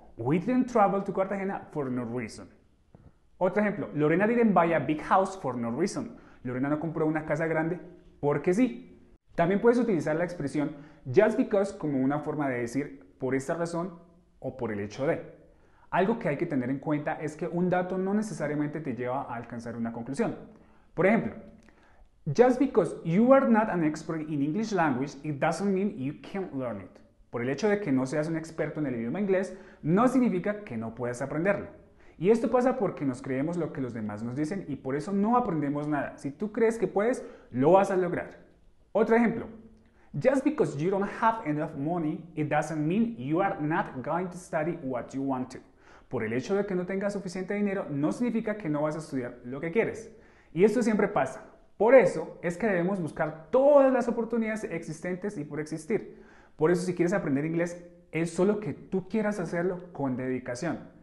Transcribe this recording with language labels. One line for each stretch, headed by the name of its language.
English: We didn't travel to Cartagena for no reason.
Spanish: Otro ejemplo,
English: Lorena didn't buy a big house for no reason.
Spanish: Lorena no compró una casa grande porque sí. También puedes utilizar la expresión
English: just because
Spanish: como una forma de decir por esta razón o por el hecho de. Algo que hay que tener en cuenta es que un dato no necesariamente te lleva a alcanzar una conclusión. Por ejemplo,
English: just because you are not an expert in English language, it doesn't mean you can't learn it.
Spanish: Por el hecho de que no seas un experto en el idioma inglés, no significa que no puedas aprenderlo. Y esto pasa porque nos creemos lo que los demás nos dicen y por eso no aprendemos nada. Si tú crees que puedes, lo vas a lograr. Otro ejemplo.
English: Just because you don't have enough money, it doesn't mean you are not going to study what you want to.
Spanish: Por el hecho de que no tengas suficiente dinero, no significa que no vas a estudiar lo que quieres. Y esto siempre pasa. Por eso es que debemos buscar todas las oportunidades existentes y por existir. Por eso, si quieres aprender inglés, es solo que tú quieras hacerlo con dedicación.